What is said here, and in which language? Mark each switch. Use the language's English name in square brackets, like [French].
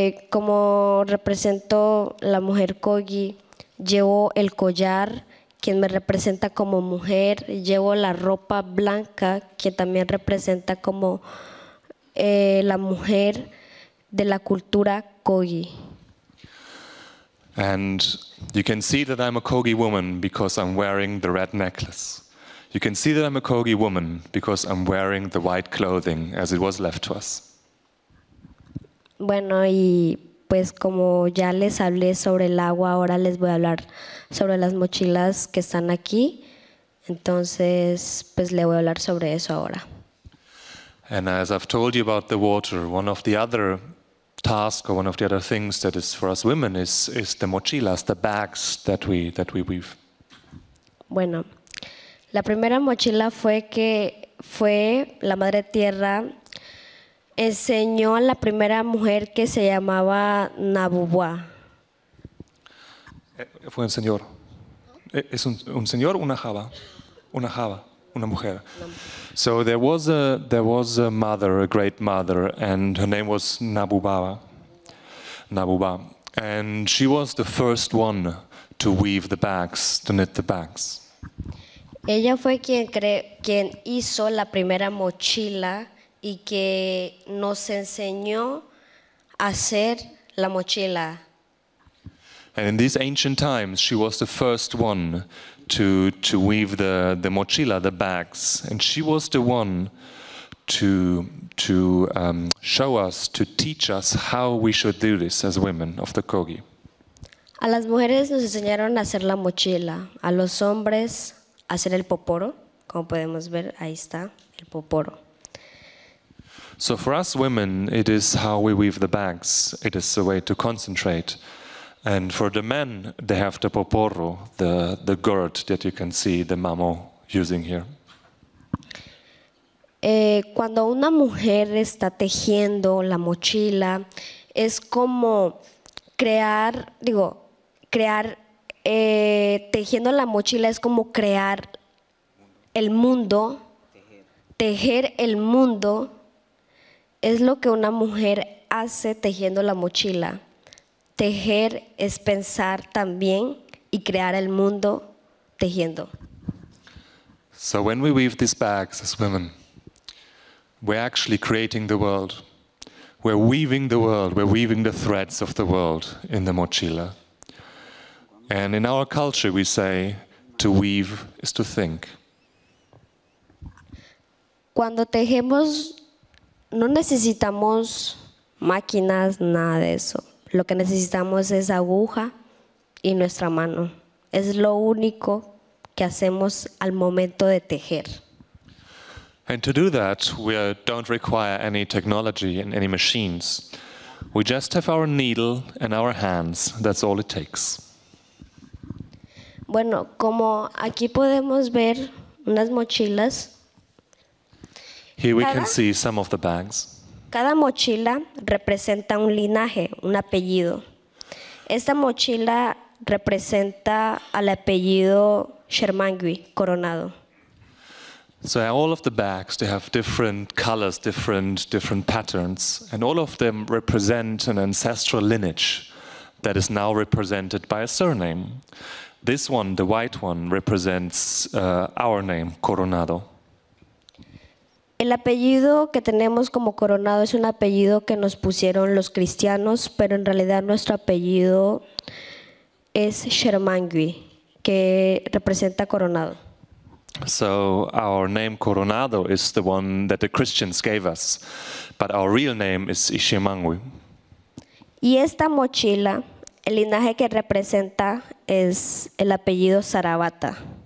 [Spanish] Como represento la mujer Kogi, llevo el collar, quien me representa como mujer, llevo la ropa blanca, quien también representa como la mujer de la cultura Kogi. [English] And you can see that I'm a Kogi woman because I'm wearing the red necklace. You can see that I'm a Kogi woman because I'm wearing the white clothing as it was left to us. [Spanish] Bueno, y pues como ya les hablé sobre el agua, ahora les voy a hablar sobre las mochilas que están aquí. Entonces, pues le voy a hablar sobre eso ahora. [English] And as I've told you about the water, one of the other task or one of the other things that is for us women is the mochilas, the bags that we weave. [Spanish] Bueno, la primera mochila fue que fue la Madre Tierra enseñó a la primera mujer que se llamaba Nabubua. Fue un señor. Es un señor, una java, una mujer. [English] So there was a mother, a great mother, and her name was Nabubua, and she was the first one to weave the bags, to knit the bags. [Spanish] Ella fue quien hizo la primera mochila y que nos enseñó a hacer la mochila. [English] And in these ancient times, she was the first one to weave the mochila, the bags, and she was the one to show us, to teach us how we should do this as women of the Kogi. [Spanish] A las mujeres nos enseñaron a hacer la mochila, a los hombres a hacer el poporo, como podemos ver, ahí está el poporo. [English] So for us women, it is how we weave the bags, it is the way to concentrate. And for the men, they have the poporo, the gourd that you can see the mamo using here. [Spanish] Cuando una mujer está tejiendo la mochila, es como tejiendo la mochila es como crear el mundo, tejer el mundo, es lo que una mujer hace tejiendo la mochila. Tejer es pensar también y crear el mundo tejiendo. [English] So when we weave these bags as women, we're actually creating the world. We're weaving the world, we're weaving the threads of the world in the mochila. And in our culture we say, to weave is to think. [Spanish] Cuando tejemos, no necesitamos máquinas, nada de eso. Lo que necesitamos es aguja y nuestra mano. Es lo único que hacemos al momento de tejer. [English] And to do that, we don't require any technology and any machines. We just have our needle and our hands. That's all it takes. [Spanish] Bueno, como aquí podemos ver unas mochilas. [English] Here we can see some of the bags. [Spanish] Cada mochila representa un linaje, un apellido. Esta mochila representa al apellido Shermangui, Coronado. [English] So all of the bags, they have different colors, different patterns, and all of them represent an ancestral lineage that is now represented by a surname. This one, the white one, represents our name, Coronado. [Spanish] El apellido que tenemos como Coronado es un apellido que nos pusieron los cristianos, pero en realidad nuestro apellido es Shermangui, que representa Coronado. [English] So our name Coronado is the one that the Christians gave us, but our real name is Shermangui. [Spanish] Y esta mochila, el linaje que representa es el apellido Zarabata.